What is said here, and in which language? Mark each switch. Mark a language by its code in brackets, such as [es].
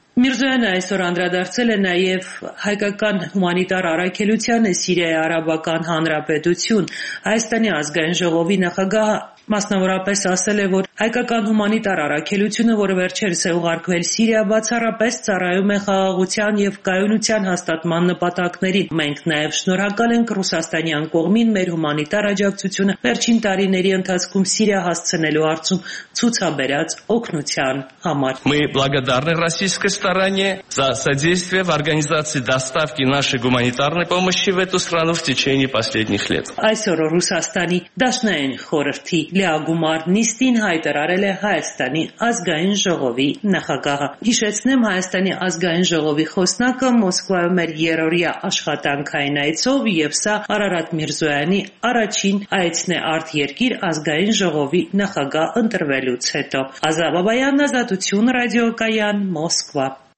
[hy] Միրզոյանը այսօր անդրադարձել է նաև հայկական հումանիտար առաքելությանը Սիրիայի Արաբական Հանրապետություն։ Հայաստանի ազգային ժողովի նախագահը մասնավորապես ասել է, որ հայկական հումանիտար առաքելությունը, որը վերջերս է ուղարկվել Սիրիա, բացառապես ծառայում է խաղաղության և կայունության հաստատման նպատակներին։ Մենք նաև շնորհակալ ենք ռուսաստանյան կողմին մեր հումանիտար աջակցությունը վերջին տարիների ընթացքում Սիրիա հասցնելու արդյունք ցուցաբերած օգնության համար։ [ru] Мы благодарны российской стороне за содействие в организации доставки нашей гуманитарной помощи в эту страну в течение последних лет. [hy] Այսօր ռուսաստանի դաշնային խորհրդի Լիագումար Նիստին հայտարարել է Հայաստանի ազգային ժողովի նախագահը։ Հիշեցնեմ, Հայաստանի ազգային ժողովի խոսնակը Մոսկվայում էր երորդ աշխատանքային այցով, և սա Արարատ Միրզոյանի առաջին այցն է արդ երկիր ազգային ժողովի նախագահ ընտրվելուց հետո։ Ազա Բաբայան, Ազատություն ռադիոկայան, Մոսկվա։